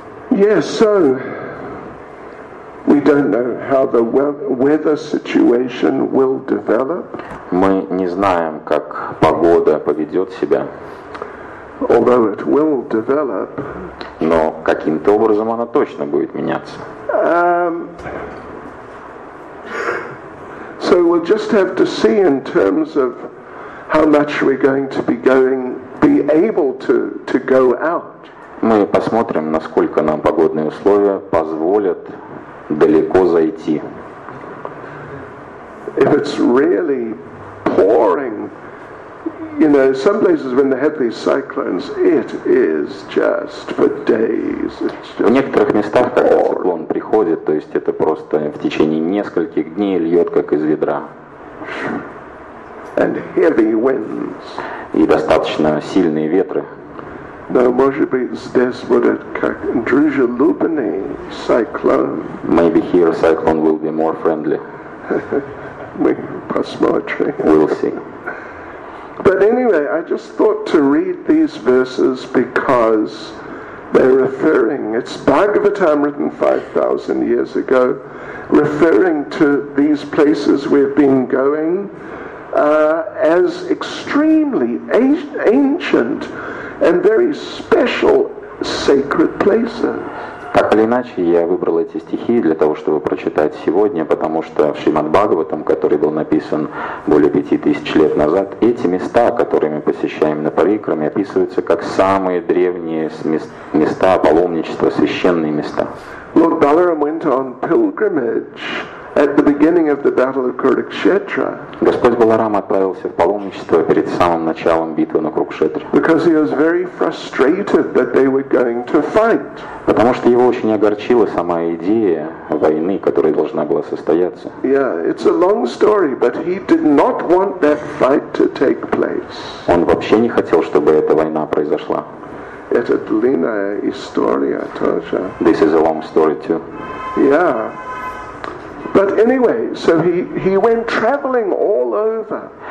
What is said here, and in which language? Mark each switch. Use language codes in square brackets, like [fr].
[en] Yes, yeah, so we don't know how the weather situation will develop. [ru] Мы не знаем, как погода поведет себя. [en] Although it will develop. [ru] Но каким-то образом она точно будет меняться. [en] So we'll just have to see in terms of how much we're going to be going, be able to go out. [ru] Мы посмотрим, насколько нам погодные условия позволят далеко зайти. [en] If it's really pouring, you know, some places when they have these cyclones, it is just for days. [ru] В некоторых местах, когда циклон приходит, то есть это просто в течение нескольких дней льет как из ведра. [en] And heavy winds. [ru] И достаточно сильные ветры. Но, может быть, здесь будет как дружелюбный циклон. [en] Maybe here a cyclone will be more friendly. [ru] Мы посмотрим. [en] We'll see. But anyway, I just thought to read these verses because they're referring, it's Bhagavatam written 5,000 years ago, referring to these places we've been going as extremely ancient and very special sacred places. [ru] Так или иначе, я выбрал эти стихи для того, чтобы прочитать сегодня, потому что в Шримад-Бхагаватам, который был написан более 5000 лет назад, эти места, которые мы посещаем на парикраме, описываются как самые древние места паломничества, священные места. [en] Lord Balaram went on pilgrimage at the beginning of the battle of Kurukshetra. [ru] Господь Баларама отправился в паломничество перед самым началом битвы на Курукшетре. [en] Because he was very frustrated that they were going to fight. [ru] Потому что его очень огорчила сама идея войны, которая должна была состояться. [en] Yeah, it's a long story, but he did not want that fight to take place. [ru] Он вообще не хотел, чтобы эта война произошла. Это длинная история тоже. [en] This is a long story too. Yeah. But anyway, so he went traveling all over.